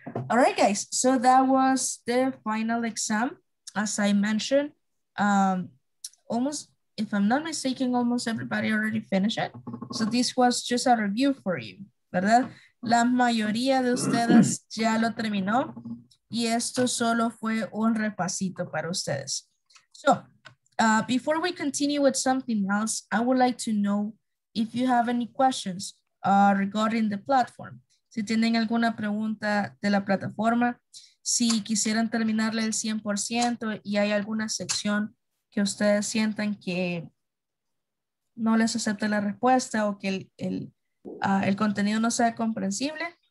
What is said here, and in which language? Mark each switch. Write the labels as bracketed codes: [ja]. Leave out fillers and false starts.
[en] All right, guys, so that was the final exam. As I mentioned, almost if I'm not mistaken, almost everybody already finished it. So this was just a review for you, ¿verdad? [es] La mayoría de ustedes ya lo terminó y esto solo fue un repasito para ustedes. [en] So, before we continue with something else, I would like to know if you have any questions regarding the platform. [es] Si tienen alguna pregunta de la plataforma, si quisieran terminarle el 100% y hay alguna sección que ustedes sientan que no les acepte la respuesta o que el contenido no sea comprensible.